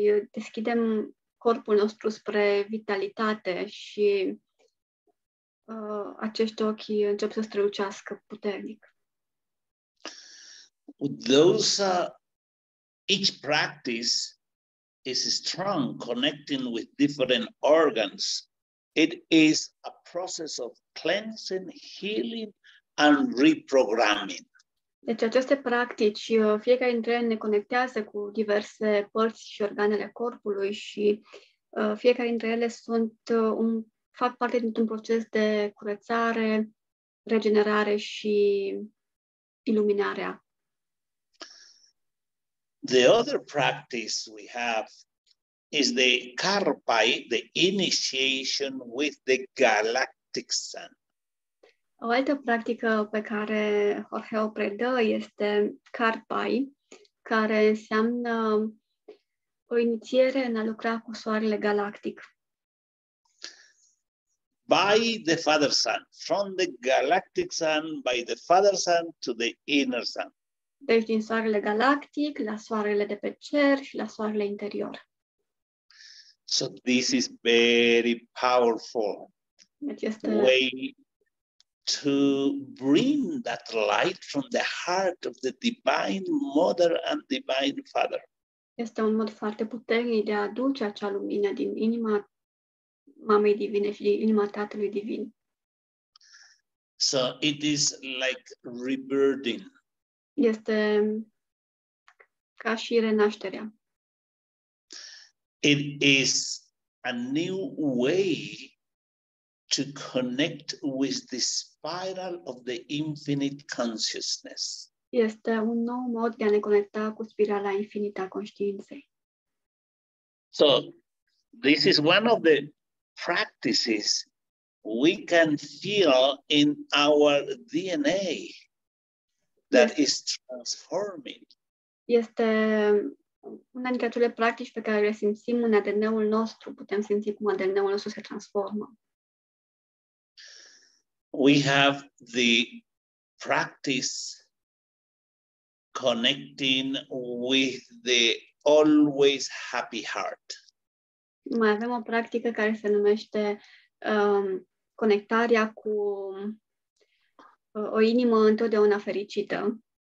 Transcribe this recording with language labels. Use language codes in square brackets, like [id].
[ro] Deschidem corpul nostru spre vitalitate și acești ochi încep să strălucească puternic. [en] Those each practice is strong, connecting with different organs. It is a process of cleansing, healing, and reprogramming. [ro] Deci aceste practici, fiecare dintre ele ne conectează cu diverse părți și organele corpului și fiecare dintre ele fac parte dintr-un proces de curățare, regenerare și iluminarea. [en] The other practice we have is the Karpai, the initiation with the galactic sun. [ro] O altă practică pe care Jorge o predă este Karpai, care înseamnă o inițiere în a lucra cu soarele galactic. [en] By the Father Sun, from the galactic sun, by the Father Sun to the inner sun. [ro] Deci din soarele galactic, la soarele de pe cer și la soarele interior. [en] So this is very powerful way to bring that light from the heart of the Divine Mother and Divine Father. [ro] Este un mod foarte puternic de a aduce acea lumină din inima Mamei Divine și din inima Tatălui Divin. [en] So it is like rebirthing. [ro] Este ca și renașterea. [en] It is a new way to connect with the spiral of the infinite consciousness. [ro] Este un nou mod de a ne conecta cu spirala infinită a conștiinței. [en] So, this is one of the practices we can feel in our DNA that is transforming. [ro] Este una dintre acele practici pe care le simțim în ADN-ul nostru, putem simți cum ADN-ul nostru se transformă. [en] We have the practice connecting with the always happy heart. [ro] Mai avem o practică care se numește conectarea cu o inimă întotdeauna fericită.